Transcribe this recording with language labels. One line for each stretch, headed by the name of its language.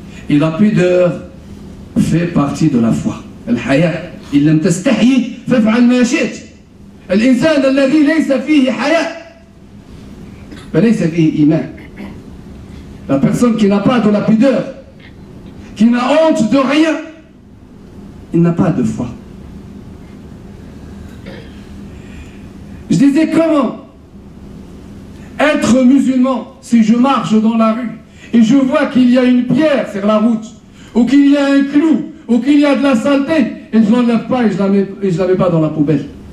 French: Et la pudeur fait partie de la foi. Le haya, il n'aime pas ce qui fait faire le machet.
Arabic: الإنسان الذي ليس فيه حياء فليس فيه إيمان.
French: La personne qui n'a pas de la pudeur, qui n'a honte de rien, il n'a pas de foi. Je disais comment être musulman si je marche dans la rue et je vois qu'il y a une pierre sur la route ou qu'il y a un clou ou qu'il y a de la saleté et je l'enlève pas et je la mets pas dans la poubelle.